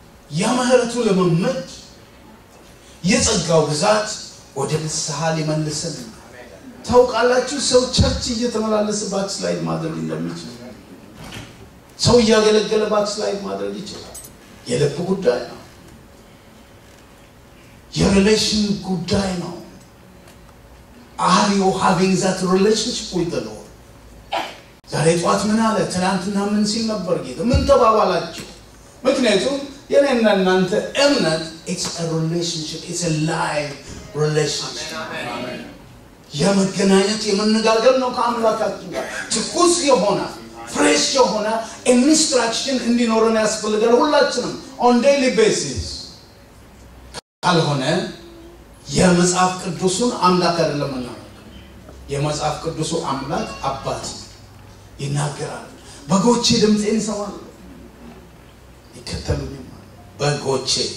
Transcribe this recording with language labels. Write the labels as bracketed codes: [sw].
[am] የምህረቱ ለመመድ የጸጋው ግዛት ወደ ንስሐ ሊመልስን ታውቃላችሁ። ሰው ቸርች እየተመላለሰ ባክስላይድ ማድረግ እንደሚችል፣ ሰው እያገለገለ ባክስላይድ ማድረግ ይችላል። የልብ ጉዳይ ነው፣ የሪሌሽን ጉዳይ ነው። [en] Are you having that relationship with the Lord? [am] ዛሬ ጠዋት ምን አለ? ትናንትና ምን ሲል ነበር ጌታ? ምን ተባባላችሁ? ምክንያቱም የኔና እናንተ እምነት [en] it's a relationship, it's a live relationship. [am] የመገናኘት የመነጋገር ነው ከአምላካችን ጋር። ትኩስ የሆነ fresh የሆነ instruction እንዲኖረን ያስፈልጋል ሁላችንም [en] on daily basis. [am] ካልሆነ የመጽሐፍ ቅዱሱን አምላክ አይደለም እናም የመጽሐፍ ቅዱሱ አምላክ አባት ይናገራል። በጎቼ ድምጼን ይሰማሉ ይከተሉኝ በጎቼ